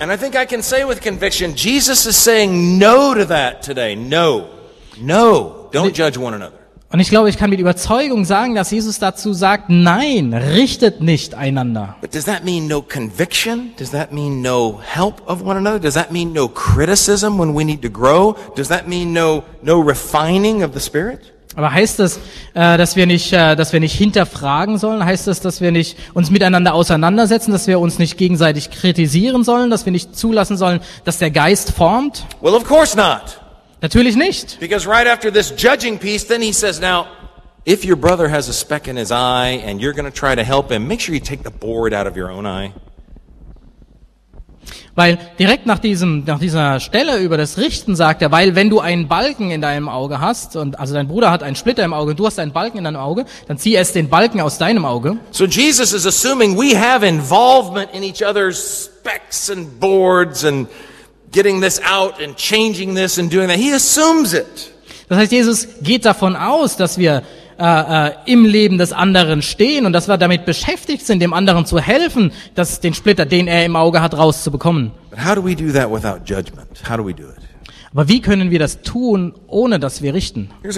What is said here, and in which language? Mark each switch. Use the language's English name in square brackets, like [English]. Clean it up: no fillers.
[English] And I think I can say with conviction, Jesus is saying no to that today. No. No. Don't judge one another. [German] Und ich glaube, ich kann mit Überzeugung sagen, dass Jesus dazu sagt, nein, richtet nicht einander. [English] But does that mean no conviction? Does that mean no help of one another? Does that mean no criticism when we need to grow? Does that mean no refining of the Spirit? [German] Aber heißt das, dass wir nicht hinterfragen sollen? Heißt das, dass wir nicht uns miteinander auseinandersetzen, dass wir uns nicht gegenseitig kritisieren sollen, dass wir nicht zulassen sollen, dass der Geist formt? [English] Well, of course not. [German] Natürlich nicht. [English] Because right after this judging piece, then he says, "Now, if your brother has a speck in his eye and you're going to try to help him, make sure you take the board out of your own eye." [German] Weil direkt nach dieser Stelle über das Richten sagt er, weil wenn du einen Balken in deinem Auge hast, und also dein Bruder hat einen Splitter im Auge, du hast einen Balken in deinem Auge, dann zieh es den Balken aus deinem Auge. [English] So Jesus is assuming we have involvement in each other's specks and boards and getting this out and changing this and doing that. He assumes it. [German] Das heißt, Jesus geht davon aus, dass wir im Leben des anderen stehen und dass wir damit beschäftigt sind, dem anderen zu helfen, dass den Splitter, den er im Auge hat, rauszubekommen. Aber wie können wir das tun, ohne dass wir richten?